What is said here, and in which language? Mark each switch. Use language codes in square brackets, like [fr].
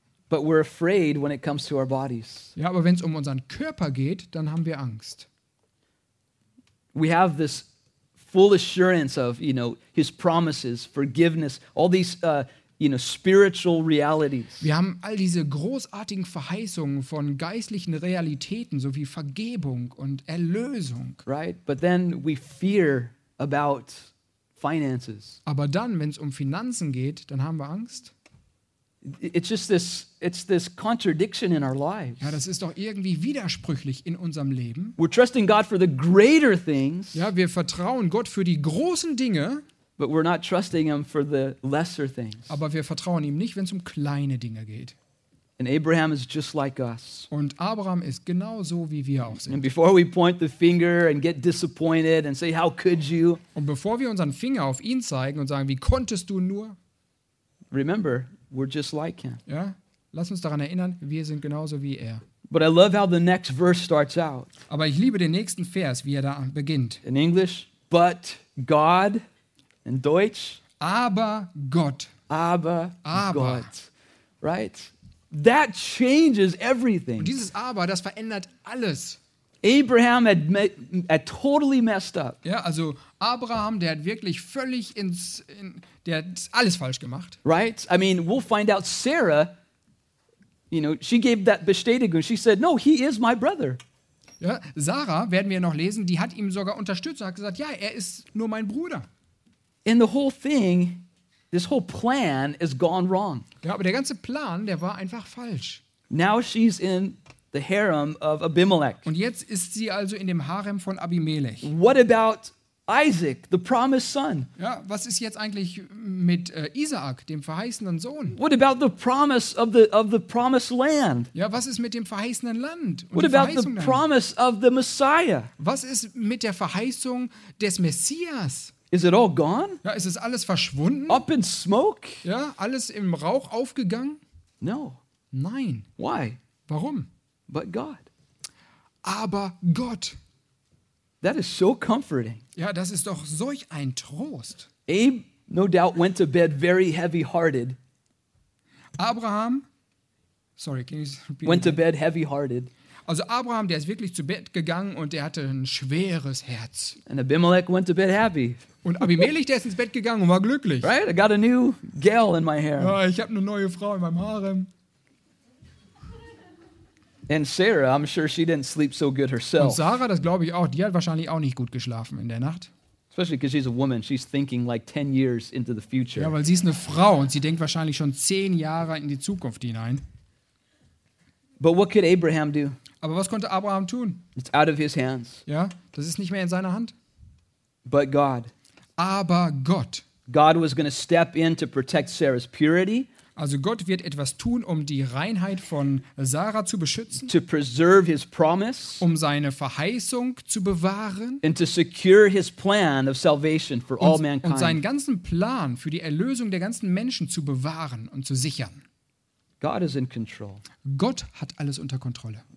[en] But we're afraid when it comes to our bodies. [de] Ja, aber wenn es um unseren Körper geht, dann haben wir Angst. [en] We have this full assurance of, you know, his promises, forgiveness, all these you know, spiritual realities. [de] Wir haben all diese großartigen Verheißungen von geistlichen Realitäten, so wie Vergebung und Erlösung. [en] Right, but then we fear about finances. [de] Aber dann, wenn es um Finanzen geht, dann haben wir Angst. [en] It's this contradiction in our lives. [de] Ja, das ist doch irgendwie widersprüchlich in unserem Leben. [en] We're trusting God for the greater things. [de] Ja, wir vertrauen Gott für die großen Dinge. [en] But we're not trusting him for the lesser things. [de] Aber wir vertrauen ihm nicht, wenn es um kleine Dinge geht. [en] And Abraham is just like us. [de] Und Abraham ist genauso wie wir auch sind. [en] And before we point the finger and get disappointed and say how could you? [de] Und bevor wir unseren Finger auf ihn zeigen und sagen, wie konntest du nur? [en] Remember, we're just like him. [de] Ja? Lass uns daran erinnern, wir sind genauso wie er. [en] But I love how the next verse starts out. [de] Aber ich liebe den nächsten Vers, wie er da beginnt. [en] In English, but God. In Deutsch, [de] aber Gott. Aber Gott. [en] Right? That changes everything. [de] Und dieses Aber, das verändert alles. [en] Abraham had totally messed up. [de] Ja, also Abraham, der hat wirklich völlig der hat alles falsch gemacht. [en] Right? I mean, we'll find out Sarah, you know, she gave that Bestätigung. She said, no, he is my brother. [de] Ja, Sarah, werden wir noch lesen, die hat ihm sogar unterstützt und hat gesagt, ja, er ist nur mein Bruder. [en] And the whole thing, this whole plan is gone wrong. [de] Ja, aber der ganze Plan, der war einfach falsch. [en] Now she's in the harem of Abimelech. [de] Und jetzt ist sie also in dem Harem von Abimelech. [en] What about Isaac, the promised son? [de] Ja, was ist jetzt eigentlich mit Isaac, dem verheißenen Sohn? [en] What about the promise of the promised land? [de] Ja, was ist mit dem verheißenen Land? [en] What about the promise of the Messiah? [de] Was ist mit der Verheißung des Messias? [en] Is it all gone? [de] Ja, ist es alles verschwunden? [en] Up in smoke? [de] Ja, alles im Rauch aufgegangen? [en] No. [de] Nein. [en] Why? [de] Warum? [en] But God. [de] Aber Gott. [en] That is so comforting. [de] Ja, das ist doch solch ein Trost. [en] Abe, no doubt, went to bed very heavy-hearted. Abraham, sorry, can you repeat? Went to bed heavy-hearted. [de] Also Abraham, der ist wirklich zu Bett gegangen und der hatte ein schweres Herz. [en] And Abimelech went to bed happy. [de] Und Abimelech, der ist ins Bett gegangen und war glücklich. [en] Right? I got a new girl in my hair. [de] Ja, ich habe eine neue Frau in meinem Harem. [en] And Sarah, I'm sure she didn't sleep so good herself. [de] Und Sarah, das glaube ich auch, die hat wahrscheinlich auch nicht gut geschlafen in der Nacht. [en] Especially because she's a woman, she's thinking like 10 years into the future. [de] Ja, weil sie ist eine Frau und sie denkt wahrscheinlich schon 10 Jahre in die Zukunft hinein. [en] But what could Abraham do? [de] Aber was konnte Abraham tun? [en] It's out of his hands. [de] Ja, das ist nicht mehr in seiner Hand. [en] But God. [de] Aber Gott. [en] God was going to step in to protect Sarah's purity. [de] Also Gott wird etwas tun, um die Reinheit von Sarah zu beschützen. [en] To preserve his promise. [de] Um seine Verheißung zu bewahren. [en] And to secure his plan of salvation for all mankind. [de] Und seinen ganzen Plan für die Erlösung der ganzen Menschen zu bewahren und zu sichern. [en] God is in control. [de] Gott hat alles unter Kontrolle.